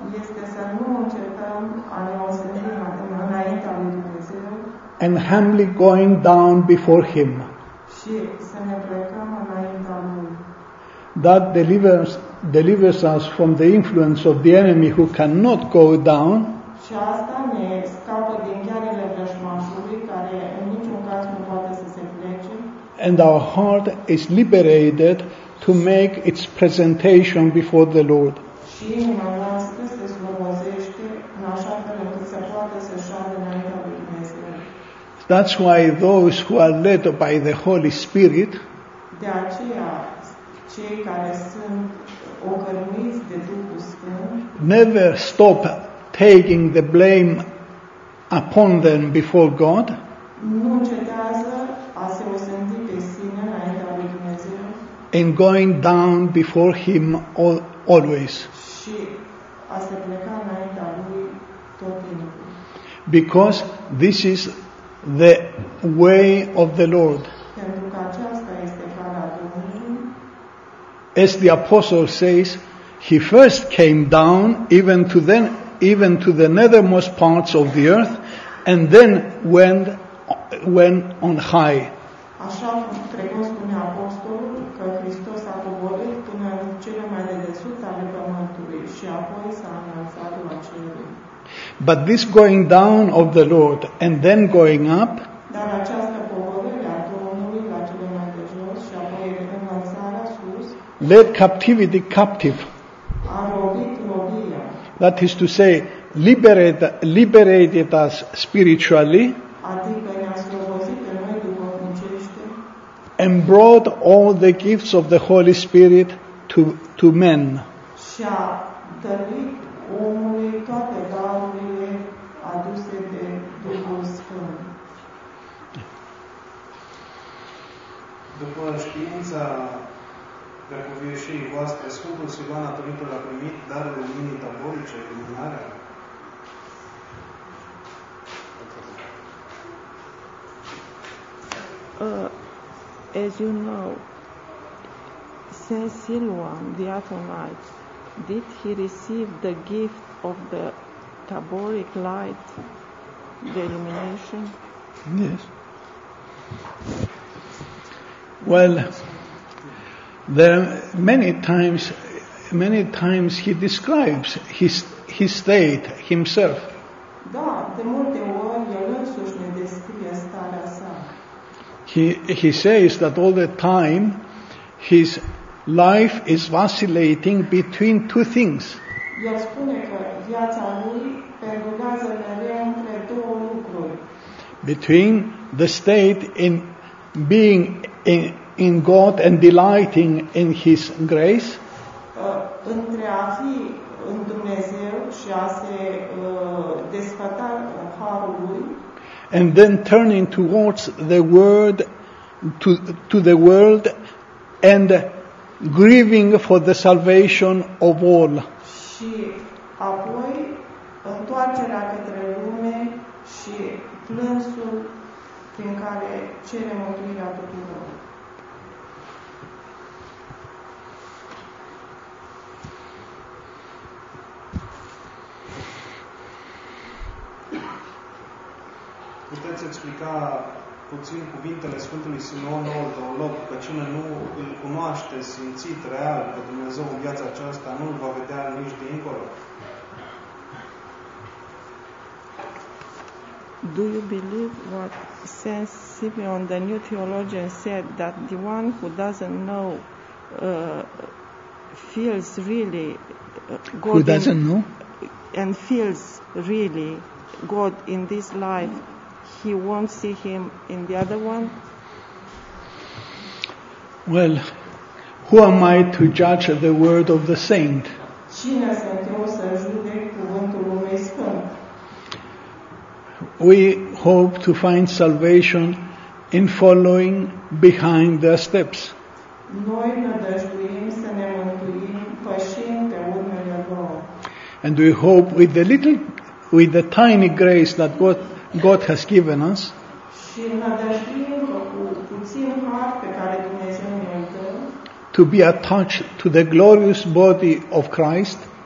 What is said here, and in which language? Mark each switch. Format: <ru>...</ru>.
<ro>Este să nu încercăm a ne osândi înaintea lui Dumnezeu.</ro> <en>And humbly going down before Him.</en> <ro>Și să ne plecăm înaintea lui.</ro> <en>That delivers us from the influence of the enemy who cannot go down.</en> <ro>Și asta ne scapă din chiarele vrăjmașului care în niciun caz nu poate să se plece.</ro> <en>And our heart is liberated to make its presentation before the Lord.</en> <ro>Și inima noastră se slobozește în așa fel încât se poate să șoadă înaintea lui Dumnezeu.</ro> <en>That's why those who are led by the Holy Spirit,</en> <ro>de aceea cei care sunt ocărmiți de Duhul Sfânt,</ro> <en>never stop taking the blame upon them before God.</en> <ro>Nu încetează a se osândi pe sine înaintea lui Dumnezeu.</ro> <en>And going down before Him always.</en> <ro>Și a se pleca înaintea lui tot timpul.</ro> <en>Because this is the way of the Lord.</en> <ro>Pentru că aceasta este calea Domnului.</ro> <en>As the apostle says, He first came down even to the nethermost parts of the earth, and then went on high.</en> <ro>Așa trebuie spune apostolul că Hristos a coborât până în cele mai de desubt ale pământului și apoi s-a înălțat la cerul.</ro> <en>But this going down of the Lord and then going up,</en> <ro>dar această coborâre a Domnului la cele mai de jos și apoi înălțarea sus,</ro> <en>led captivity captive.</en> <ro>A robit robia.</ro> <en>That is to say, liberated us spiritually,</en> <ro>adică ne-a slobozit pe noi duhovnicește,</ro> <en>and brought all the gifts of the Holy Spirit to men.</en> <ro>Și a dăruit omului toate darurile aduse de Duhul Sfânt. După știința preacuvioșiei voastre, Sfântul Silvan Atonitul a primit darul luminii taborice, luminarea.</ro> <en>As you know, Saint Silvan the Athonite, did he receive the gift of the taboric light, the illumination? Yes. Well, there are many times he describes his state himself.</en> <ro>Da, de multe ori el însuși ne descrie starea sa.</ro> <en>He says that all the time his life is vacillating between two things.</en> <ro>El spune că viața lui pendulează mereu între două lucruri.</ro> <en>Between the state in being in God and delighting in His grace.</en> <ro>Între a fi în Dumnezeu și a se desfăta harul lui.</ro> <en>And then turning towards the world, to the world, and grieving for the salvation of all.</en> <ro>Și apoi întoarcerea către lume și plânsul prin care cere mântuirea tuturor. Puteți explica puțin cuvintele Sfântului Simeon nouă teolog, că cine nu îl cunoaște simțit real pe Dumnezeu în viața aceasta, nu îl va vedea nici dincolo?</ro> <en>Do you believe what Saint Simeon, the new theologian, said, that the one who doesn't know feels really God, who doesn't know? And feels really God in this life, he won't see him in the other one? Well, who am I to judge the word of the saint?</en> <ro>Cine sunt eu să judec cuvântul unui sfânt?</ro> <en>We hope to find salvation in following behind their steps.</en> <ro>Noi nădăjduim să ne mântuim pășind pe urmele lor.</ro> <en>And we hope with the tiny grace that God has given us,</en> <ro>și nădăjduim cu puțin har pe care Dumnezeu ne-a dat,</ro> <en>to be attached to the glorious body of Christ,</en>